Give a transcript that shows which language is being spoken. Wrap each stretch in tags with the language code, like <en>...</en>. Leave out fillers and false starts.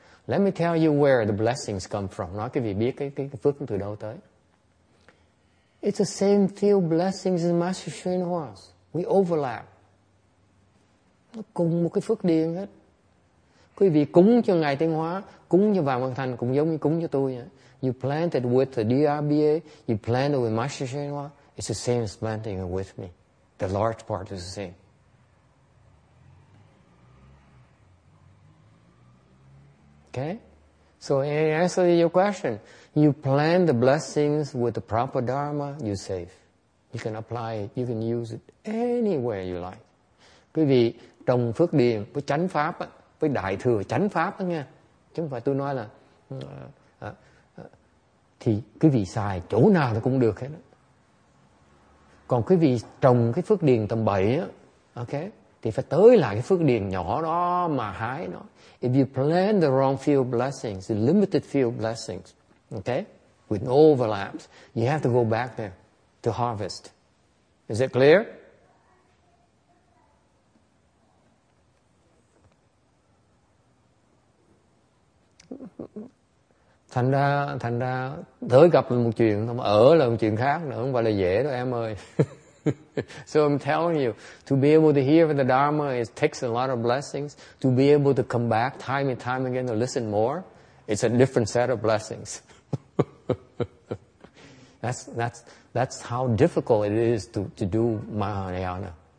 <en>Let me tell you where the blessings come from.</en> <vi>Nói quý vị biết cái phước từ đâu tới.</vi> <en>It's the same few blessings as Master Srinivas. We overlap.</en> <vi>Nó cùng một cái phước điền hết. Quý vị cúng cho Ngài Tiên Hóa, cúng cho Vàng Văn Thành cũng giống như cúng cho tôi.</vi> <en>You planted with the DRBA, you planted with Master Srinivas. It's the same as planting with me. The large part is the same. Okay? So in answer to your question, you plant the blessings with the proper Dharma, you're safe. You can apply it, you can use it anywhere you like.</en> <vi>Quý vị trồng phước điền với chánh pháp á, với đại thừa chánh pháp á nha, chứ không phải tôi nói là thì quý vị xài chỗ nào nó cũng được hết á. Còn quý vị trồng cái phước điền tầm bậy á, ok, thì phải tới lại cái phước điền nhỏ đó mà hái nó.</vi> <en>If you plant the wrong field blessings, the limited field blessings, ok, with no overlaps, you have to go back there to harvest. Is it clear?</en> <vi>Thành ra tới gặp là một chuyện, ở là một chuyện khác nữa, không phải là dễ đâu em ơi.</vi> <en>So I'm telling you, to be able to hear the Dharma, it takes a lot of blessings. To be able to come back time and time again to listen more, it's a different set of blessings. That's how difficult it is to do Mahayana.</en>